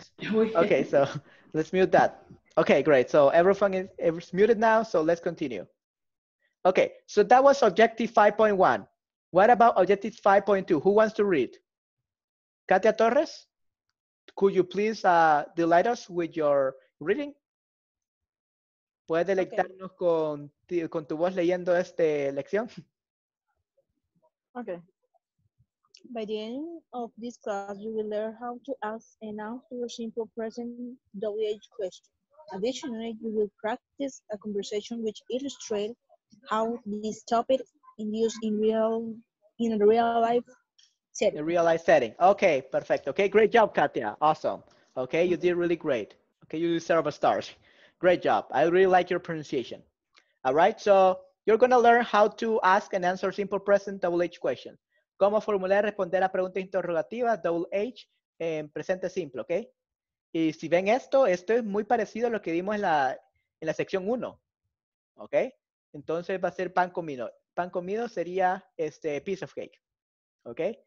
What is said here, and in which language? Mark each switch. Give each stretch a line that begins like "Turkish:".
English: Okay, so let's mute that. Okay, great. So everyone is muted now, so let's continue. Okay, so that was objective 5.1. What about objective 5.2? Who wants to read? Katia Torres, could you please delight us with your reading?
Spanish: ¿Puedes deleitarnos con tu voz leyendo esta lección?
English: Okay. By the end of this class, you will learn how to ask and answer a simple present WH question. Additionally, you will practice a conversation which illustrates how this topic is used in real life setting. In a real life setting. Okay, perfect. Okay, great job, Katia. Awesome. Okay, you did really great. Okay, you deserve a star. Great job. I really like your pronunciation. All right, so you're going to learn how to ask and answer simple present WH question.
Spanish: ¿Cómo formular y responder a preguntas interrogativas WH en presente simple? Okay. Y si ven esto, esto es muy parecido a lo que vimos en la sección 1. ¿Ok? Entonces va a ser pan comido. Pan comido sería este
English: piece of cake.
Spanish: ¿Ok?